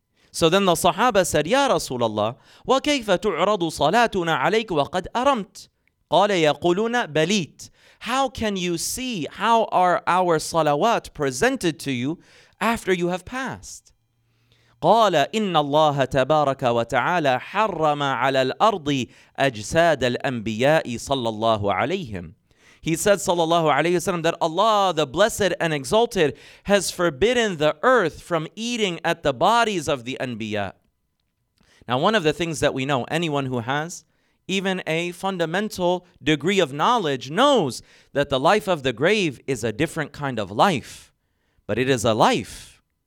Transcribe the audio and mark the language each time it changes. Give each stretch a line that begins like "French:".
English: So then the Sahaba said,
Arabic: يَا رَسُولَ اللَّهِ وَكَيْفَ تُعْرَضُ صَلَاتُنَا عَلَيْكُ وَقَدْ أَرَمْتُ قَالَ يَقُولُونَ بَلِيتُ
English: How can you see how are our salawat presented to you after you have passed?
Arabic: قال إن الله تبارك وتعالى حرم على الأرض أجساد الأنبياء صلى الله عليهم.
English: He said صلى الله عليه وسلم that Allah the blessed and exalted has forbidden the earth from eating at the bodies of the Anbiya. Now one of the things that we know, anyone who has even a fundamental degree of knowledge knows that the life of the grave is a different kind of life, but it is a life.